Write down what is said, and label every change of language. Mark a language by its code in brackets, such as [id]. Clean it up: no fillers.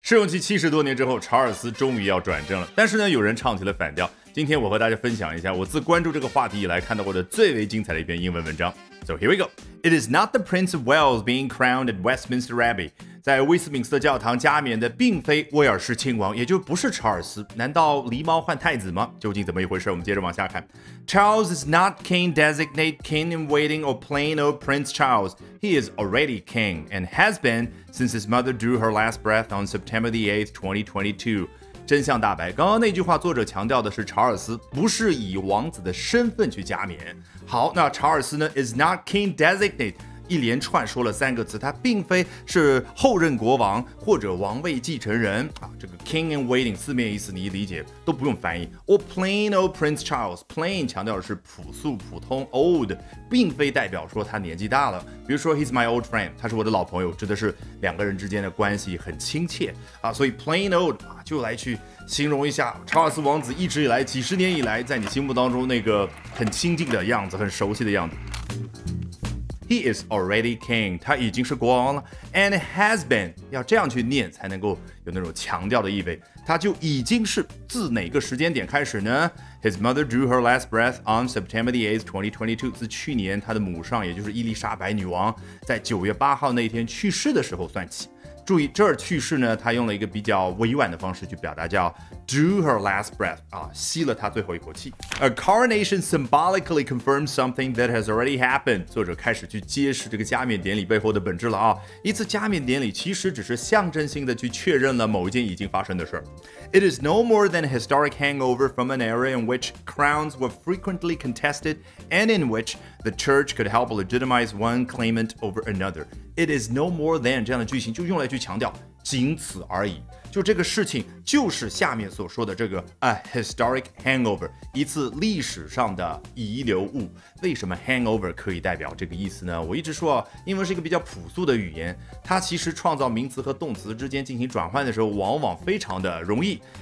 [zh] 试用期70多年之后，查尔斯终于要转正了。但是呢，有人唱起了反调。今天我和大家分享一下我自关注这个话题以来看到过的最为精彩的一篇英文文章。 [en] So here we go. It is not the Prince of Wales being crowned at Westminster Abbey. [zh] 在威斯敏斯特教堂加冕的并非威尔士亲王，也就不是查尔斯。难道狸猫换太子吗？究竟怎么一回事？我们接着往下看。 [en] Charles is not king designate, king in waiting, or plain old Prince Charles. He is already king and has been since his mother drew her last breath on September the 8th, 2022. [zh] 真相大白，刚刚那句话作者强调的是查尔斯不是以王子的身份去加冕。好，那查尔斯呢 [en] is not king designate， [zh] 一连串说了三个词，他并非是后任国王或者王位继承人啊。这个 [en] king in waiting [zh] 字面意思你理解都不用翻译。 [en] or plain old prince charles， [zh] plain 强调的是朴素普通， old 并非代表说他年纪大了。比如说 [en] he's my old friend， [zh] 他是我的老朋友，指的是两个人之间的关系很亲切啊。所以 plain old 啊，就来去形容一下查尔斯王子一直以来几十年以来在你心目当中那个很亲近的样子，很熟悉的样子。 [en] He is already king， [zh] 他已经是国王了。 [en] And has been， [zh] 要这样去念才能够有那种强调的意味。他就已经是自哪个时间点开始呢？ [en] His mother drew her last breath on September the 8th, 2022， [zh] 自去年他的母上，也就是伊丽莎白女王，在9月8号那天去世的时候算起。注意这儿去世呢，他用了一个比较委婉的方式去表达，叫 [en] drew her last breath， [zh] 啊，吸了他最后一口气。 [en] A coronation symbolically confirms something that has already happened。 [zh] 作者开始去揭示这个加冕典礼背后的本质了啊！一次加冕典礼其实只是象征性的去确认了某一件已经发生的事。 [en] It is no more than a historic hangover from an era in which crowns were frequently contested and in which the church could help legitimize one claimant over another. It is no more than [zh] 这样的句型就用来去强调仅此而已，就这个事情就是下面所说的这个 [en] a historic hangover， [zh] 一次历史上的遗留物。为什么 hangover 可以代表这个意思呢？我一直说英文是一个比较朴素的语言，它其实创造名词和动词之间进行转换的时候往往非常的容易。